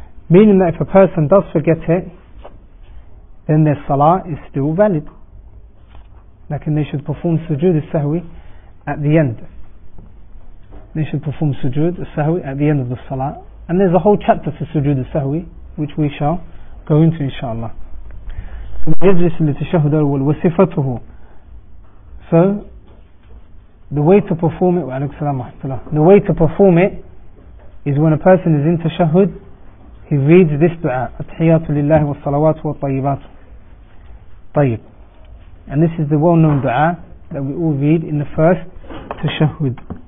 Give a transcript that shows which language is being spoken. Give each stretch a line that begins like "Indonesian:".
English: meaning that if a person does forget it, then their salah is still valid. Lakin they should perform sujood as-sahwi at the end. They should perform sujood as-sahwi at the end of the salah. And there's a whole chapter for sujood as-sahwi, which we shall go into inshaAllah.
Arabic: يجلس للتشهد الأول وصفته.
English: So the way to perform it,
Arabic: وعليك السلام ورحمة الله,
English: the way to perform it is when a person is in tashahud, he reads this dua,
Arabic: التحيات لله والصلوات والطيبات.
English: طيب, and this is the well known dua that we all read in the first tashahud.